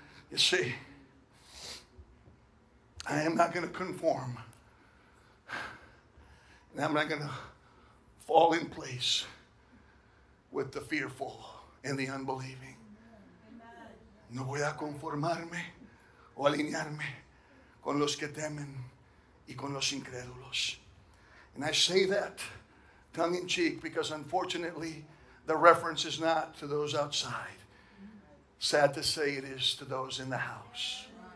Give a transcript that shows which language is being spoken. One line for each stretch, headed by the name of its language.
English: You see, I am not going to conform. And I'm not going to fall in place with the fearful and the unbelieving.
Spanish: No voy a conformarme o alinearme con los que temen y con los incrédulos.
English: And I say that tongue in cheek, because unfortunately the reference is not to those outside. Sad to say, it is to those in the house.